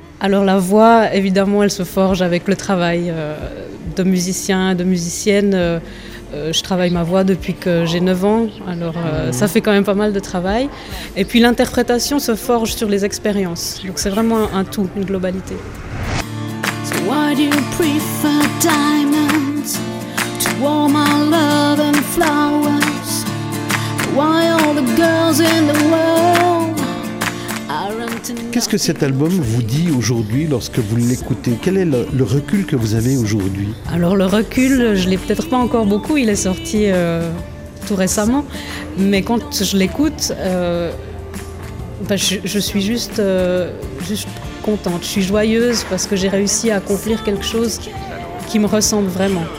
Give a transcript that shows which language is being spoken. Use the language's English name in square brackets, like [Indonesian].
[French] Alors la voix, évidemment, elle se forge avec le travail de musicien, de musicienne. Je travaille ma voix depuis que j'ai 9 ans, alors ça fait quand même pas mal de travail. Et puis l'interprétation se forge sur les expériences, donc c'est vraiment un tout, une globalité. [English] So why do you prefer diamonds to all my love and flowers? Why all the girls in the world? [French] Qu'est-ce que cet album vous dit aujourd'hui lorsque vous l'écoutez? Quel est le recul que vous avez aujourd'hui? Alors le recul, je ne l'ai peut-être pas encore beaucoup, il est sorti tout récemment. Mais quand je l'écoute, je suis juste contente, je suis joyeuse parce que j'ai réussi à accomplir quelque chose qui me ressemble vraiment.